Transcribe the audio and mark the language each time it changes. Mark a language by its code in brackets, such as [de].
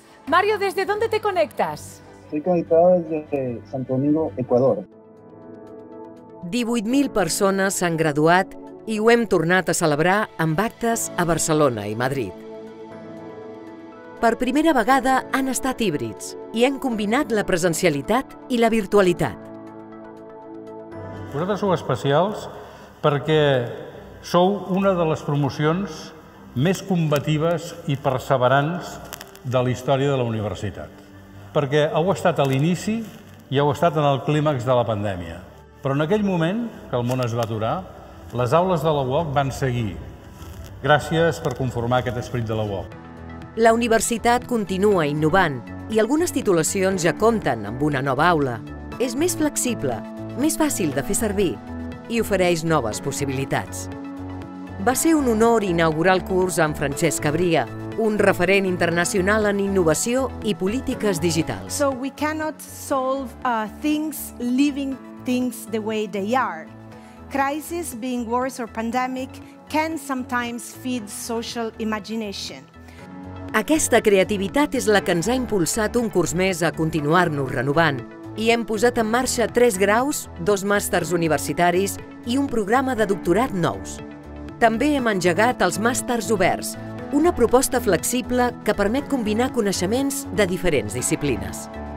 [es] Mario, des de dónde te conectas? Estoy conectado desde Santo Domingo, Ecuador. [ca] 18.000 persones s'han graduat i ho hem tornat a celebrar amb actes a Barcelona i Madrid. Per primera vegada han estat híbrids i han combinat la presencialitat i la virtualitat. Vosaltres sou especials perquè sou una de les promocions més combatives i perseverants de la història de la universitat. Perquè heu estat a l'inici i heu estat en el clímax de la pandèmia. Però en aquell moment, que el món es va aturar, les aules de la UOC van seguir. Gràcies per conformar aquest esperit de la UOC. La universitat continua innovant i algunes titulacions ja compten amb una nova aula. És més flexible, més fàcil de fer servir i ofereix noves possibilitats. Va ser un honor inaugurar el curs amb Francesc Cabria, un referent internacional en innovació i polítiques digitals. [en] So we cannot solve things living things the way they are. Crisis, being wars or pandemic, can sometimes feed social imagination. [ca] Aquesta creativitat és la que ens ha impulsat un curs més a continuar-nos renovant i hem posat en marxa 3 graus, 2 màsters universitaris i un programa de doctorat nous. També hem engegat els màsters oberts, una proposta flexible que permet combinar coneixements de diferents disciplines.